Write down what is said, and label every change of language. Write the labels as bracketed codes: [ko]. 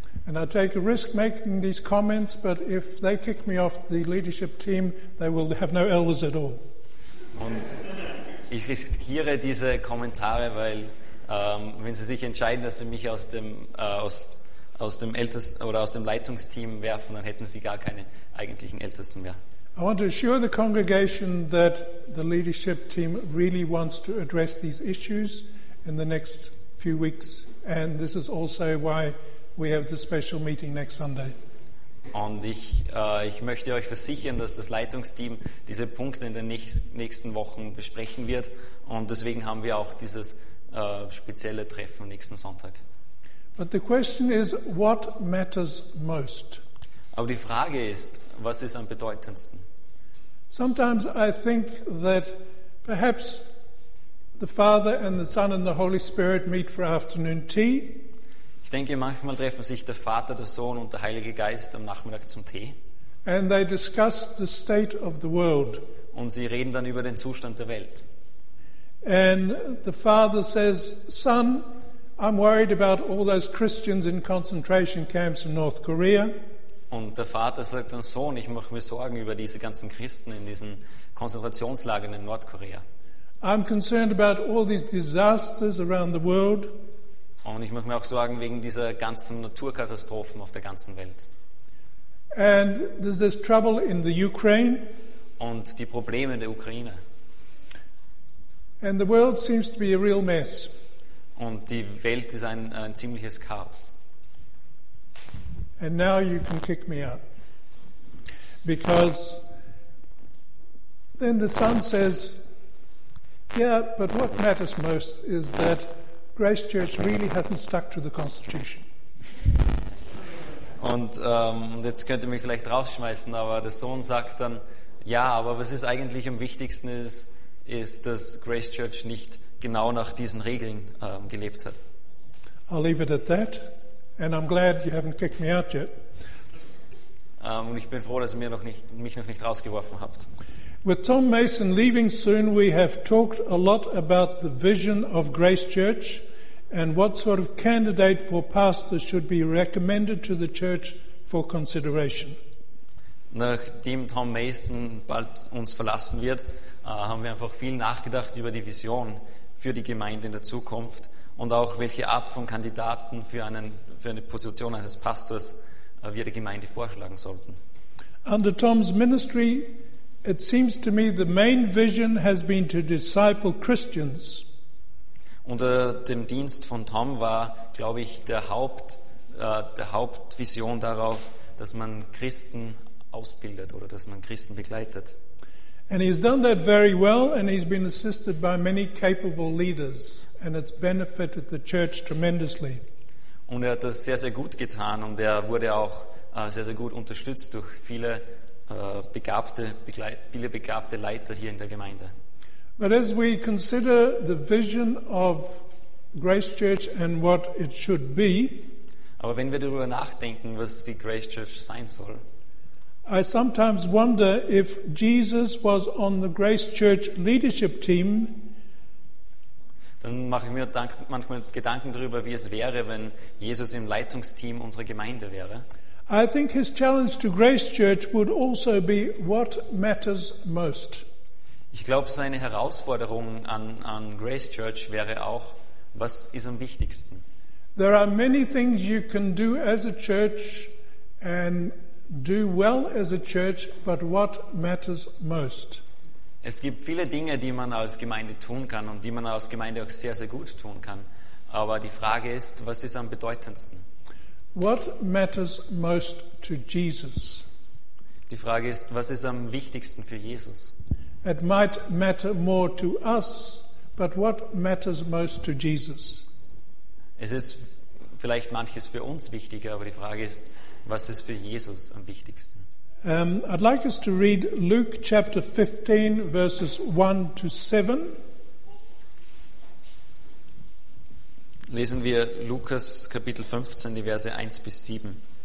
[en] And I take a risk making these comments, but if they kick me off the leadership team, they will have no elders at all. [de] Und ich riskiere diese Kommentare, weil wenn sie sich entscheiden, dass sie mich aus dem Ältesten oder aus dem Leitungsteam werfen, dann hätten sie gar keine eigentlichen Ältesten mehr. [en] I want to assure the congregation that the leadership team really wants to address these issues in the next few weeks, and this is also why we have the special meeting next Sunday. [de] Und ich möchte euch versichern, dass das Leitungsteam diese Punkte in den nächsten Wochen besprechen wird, und deswegen haben wir auch dieses spezielle Treffen nächsten Sonntag. [en] But the question is, what matters most? [de] Aber die Frage ist, was ist am bedeutendsten? [en] Sometimes I think that perhaps the Father and the Son and the Holy Spirit meet for afternoon tea. [de] Ich denke, manchmal treffen sich der Vater, der Sohn und der Heilige Geist am Nachmittag zum Tee. [en] And they discuss the state of the world. [de] Und sie reden dann über den Zustand der Welt. [en] And the father says, "Son, I'm worried about all those Christians in concentration camps in North Korea." [de] Und der Vater sagt dann, Sohn, ich mache mir Sorgen über diese ganzen Christen in diesen Konzentrationslagern in Nordkorea. [en] I'm concerned about all these disasters around the world. [de] Und ich mache mir auch Sorgen wegen dieser ganzen Naturkatastrophen auf der ganzen Welt. [en] And there's this trouble in the Ukraine. [de] Und die Probleme in der Ukraine. [en] And the world seems to be a real mess. [de] Und die Welt ist ein ziemliches Chaos. [en] And now you can kick me out. Because then the son says, yeah, but what matters most is that Grace Church really hasn't stuck to the Constitution. [de] Und jetzt könnt ihr mich vielleicht rausschmeißen, aber der Sohn sagt dann, ja, aber was ist eigentlich am wichtigsten ist, dass Grace Church nicht genau nach diesen Regeln gelebt hat. [en] I'll leave it at that, and I'm glad you haven't kicked me out yet. [de] Und ich bin froh, dass ihr mich noch nicht rausgeworfen habt. [en] With Tom Mason leaving soon, we have talked a lot about the vision of Grace Church and what sort of candidate for pastor should be recommended to the church for consideration. [de] Nachdem Tom Mason bald uns verlassen wird, haben wir einfach viel nachgedacht über die Vision für die Gemeinde in der Zukunft und auch welche Art von Kandidaten für eine Position eines Pastors wir der Gemeinde vorschlagen sollten. [en] Under Tom's ministry, it seems to me the main vision has been to disciple Christians. [de] Unter dem Dienst von Tom war, glaube ich, der Hauptvision darauf, dass man Christen ausbildet oder dass man Christen begleitet. [en] And he's done that very well, and he's been assisted by many capable leaders, and it's benefited the church tremendously. [de] Und er hat das sehr, sehr gut getan, und er wurde auch sehr, sehr gut unterstützt durch viele begabte Leiter hier in der Gemeinde. [en] But as we consider the vision of Grace Church and what it should be, [de] aber wenn wir darüber nachdenken, was die Grace Church sein soll, [en] I sometimes wonder if Jesus was on the Grace Church leadership team. [de] Dann mache ich mir manchmal Gedanken darüber, wie es wäre, wenn Jesus im Leitungsteam unserer Gemeinde wäre. [en] I think his challenge to Grace Church would also be what matters most. [de] Ich glaube, seine Herausforderung an Grace Church wäre auch, was ist am wichtigsten? [en] There are many things you can do as a church and do well as a church, but what matters most? [de] Es gibt viele Dinge, die man als Gemeinde tun kann und die man als Gemeinde auch sehr, sehr gut tun kann. Aber die Frage ist, was ist am bedeutendsten? [en] What matters most to Jesus? [de] Die Frage ist, was ist am wichtigsten für Jesus? [en] It might matter more to us, but what matters most to Jesus? [de] Es ist vielleicht manches für uns wichtiger, aber die Frage ist, was ist für Jesus am wichtigsten? [en] I'd like us to read Luke chapter 15, verses 1 to 7. [de] Lesen wir Lukas Kapitel 15, die Verse 1 bis 7.